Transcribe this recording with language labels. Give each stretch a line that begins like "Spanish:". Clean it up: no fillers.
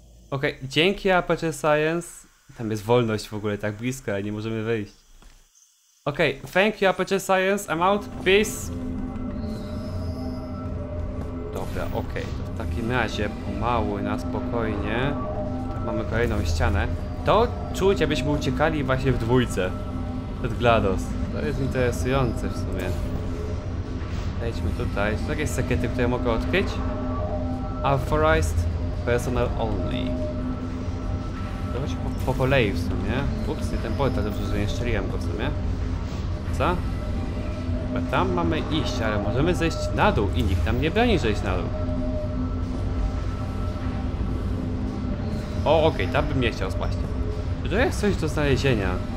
Polish: Okej, dzięki Aperture Science. Tam jest wolność w ogóle tak blisko, ale nie możemy wyjść.
English: Okej, thank you Aperture Science, I'm out, peace!
Polish: Dobra, okej. W takim razie, pomału, na spokojnie. Mamy kolejną ścianę. To czuć, jakbyśmy uciekali właśnie w dwójce. Przed GLaDOS. To jest interesujące w sumie. Wejdźmy tutaj. Są jakieś sekrety, które mogę odkryć?
English: Authorized personnel only.
Polish: To chodzi po kolei w sumie. Ups, nie ten portal, dobrze, że nie strzeliłem go w sumie. Co? Chyba tam mamy iść, ale możemy zejść na dół i nikt nam nie broni zejść na dół. O, okej, tam bym nie chciał spaść. Czy to jest coś do znalezienia?